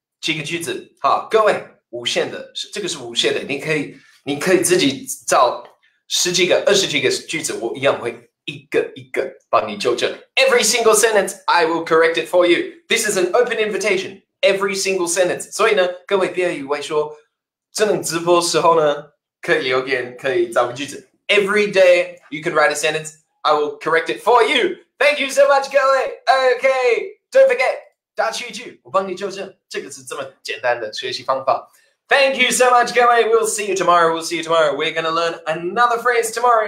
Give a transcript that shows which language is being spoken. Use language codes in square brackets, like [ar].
[zh] 几个句子，好，各位，无限的，这个是无限的，你可以自己找十几个、二十几个句子，我一样会一个一个帮你纠正。 [en] Every single sentence, I will correct it for you. This is an open invitation. Every single sentence. [zh] 所以呢，各位不要以为说这种直播时候呢可以留言，可以找个句子。 [en] Every day you can write a sentence, I will correct it for you. Thank you so much, 各位。Okay, don't forget. [zh] 打出一句，我帮你纠正，这个是这么简单的学习方法。 [en] Thank you so much, 各位.We'll see you tomorrow. We'll see you tomorrow. We're going to learn another phrase tomorrow.